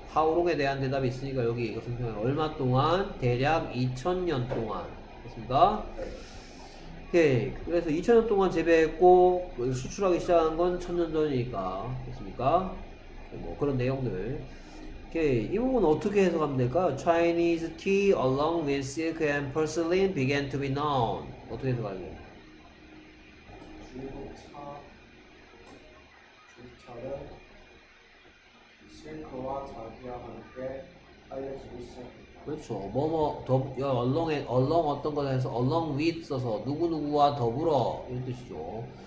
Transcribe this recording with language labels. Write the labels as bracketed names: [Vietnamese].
[Korean] How long에 대한 대답이 있으니까 여기 이거 설명해 얼마 동안 대략 2000년 동안 그렇습니다. 오케이. 그래서 2000년 동안 재배했고 수출하기 시작한 건 1000년 전이니까 그렇습니까? 뭐 그런 내용들. 오케이. 이 부분 어떻게 해석하면 될까요? [English] Chinese tea along with silk and porcelain began to be known. [Korean] 어떻게 해석할래요? 중국 차는 실크와 자기와 함께 알려지기 시작했다. 그렇죠. 뭐뭐 더 along에 along 어떤 거 해서 along with 써서 누구누구와 더불어 이런 뜻이죠.